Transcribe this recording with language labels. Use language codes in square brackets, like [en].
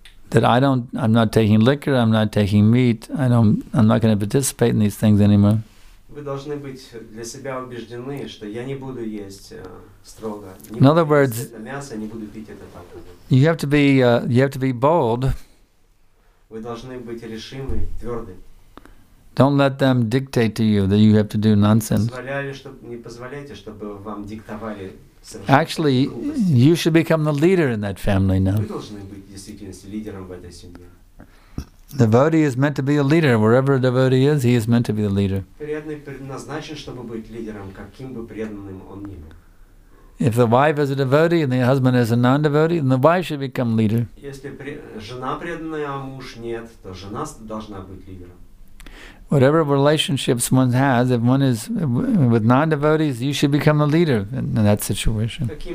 [en] That I'm not taking liquor, I'm not taking meat, I'm not going to participate in these things anymore. [ru] Вы должны быть для себя убеждены, что я не буду есть строго. [en] In other words, [ru] мясо, не буду пить это так. [en] You have to be bold. [ru] Вы должны быть решимы, твёрды. [en] Don't let them dictate to you that you have to do nonsense. [ru] Не позволяйте, чтобы вам диктовали. [en] Actually, you should become the leader in that family now. [ru] Вы должны быть действительно лидером в этой семье. [en] Devotee is meant to be a leader. Wherever a devotee is, he is meant to be the leader. [ru] Преданный предназначен, чтобы быть лидером, каким бы преданным он ни был. [en] If the wife is a devotee and the husband is a non-devotee, then the wife should become leader. [ru] Если жена преданная, а муж нет, то жена должна быть лидером. [en] Whatever relationships one has, if one is with non-devotees, you should become the leader in that situation.